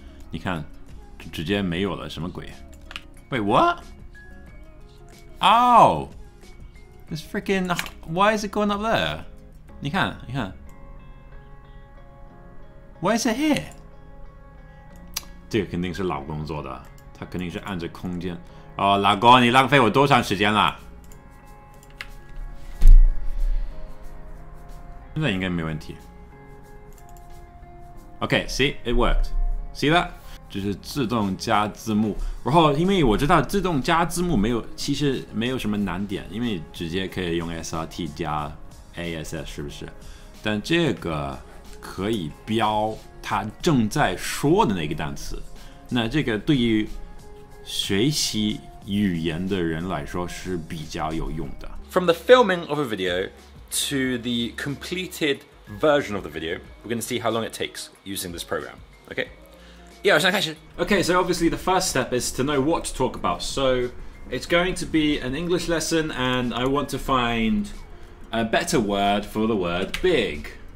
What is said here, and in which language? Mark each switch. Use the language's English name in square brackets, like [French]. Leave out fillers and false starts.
[Chinese] 你看，直接没有了，什么鬼？ [English] Wait, what? Oh, this freaking, why is it going up there? [Chinese] 你看，你看。 [English] Why is it here? [Chinese] 这个肯定是老公做的，他肯定是按着空间。Oh, 老公，你浪费我多长时间了？现在应该没问题。 [English] Okay, see, it worked. See that? [Chinese] 就是自动加字幕。然后因为我知道自动加字幕没有，其实没有什么难点，因为直接可以用 SRT 加 ASS， 是不是？但这个可以标他正在说的那个单词。那这个对于学习语言的人来说是比较有用的。 [English] From the filming of a video,to the completed version of the video, we're going to see how long it takes using this program. Okay? Yeah, let's start. Okay, so obviously the first step is to know what to talk about. So it's going to be an English lesson and I want to find a better word for the word big.